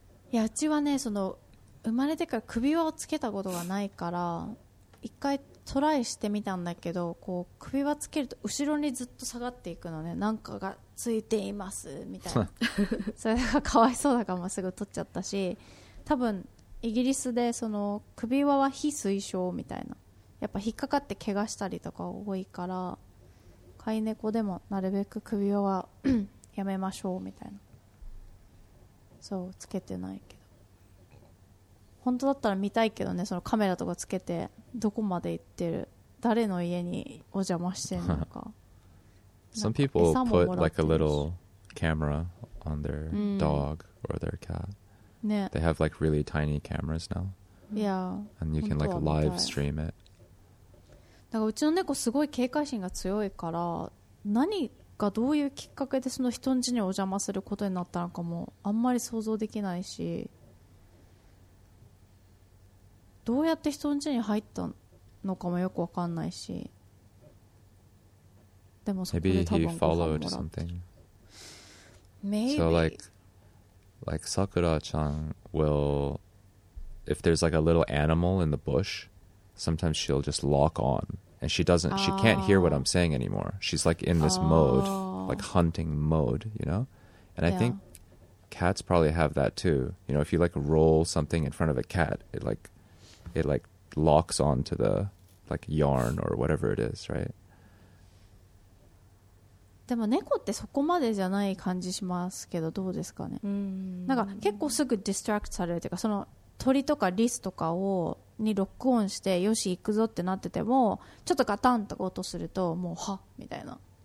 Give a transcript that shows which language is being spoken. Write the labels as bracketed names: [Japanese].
[Japanese] いや、うちはねその生まれてから首輪をつけたことがないから、一回トライしてみたんだけど、こう首輪つけると後ろにずっと下がっていくのね、なんかがついていますみたいなそれがかわいそうだから、まあ、すぐ取っちゃったし、多分イギリスでその首輪は非推奨みたいな、やっぱ引っかかって怪我したりとか多いから、飼い猫でもなるべく首輪はやめましょうみたいな、そうつけてないけど本当だったら見たいけどね、そのカメラとかつけてどこまで行ってる、誰の家にお邪魔してるのか。 [English] Some people put like a little camera on their dog or their cat. [Japanese] ね。 [English] They have like really tiny cameras now. Yeah. And you can like live stream it. [Japanese] だからうちの猫すごい警戒心が強いから、何がどういうきっかけでその人ん家にお邪魔することになったのかもあんまり想像できないし、どうやって人ん家に入ったのかもよくわかんないし。 [English] Maybe he followed something. Maybe. So like Sakura-chan will, if there's like a little animal in the bush, sometimes she'll just lock on and she doesn't, she can't hear what I'm saying anymore. She's like in this mode, like hunting mode, you know? And I think cats probably have that too. You know, if you like roll something in front of a cat, it like locks on to the like yarn or whatever it is, right? [Japanese] でも猫ってそこまでじゃない感じしますけど、どうですかね。なんか結構すぐディストラクトされるというか、その鳥とかリスとかをにロックオンしてよし行くぞってなってても、ちょっとガタンとか音するともうはっみたいなな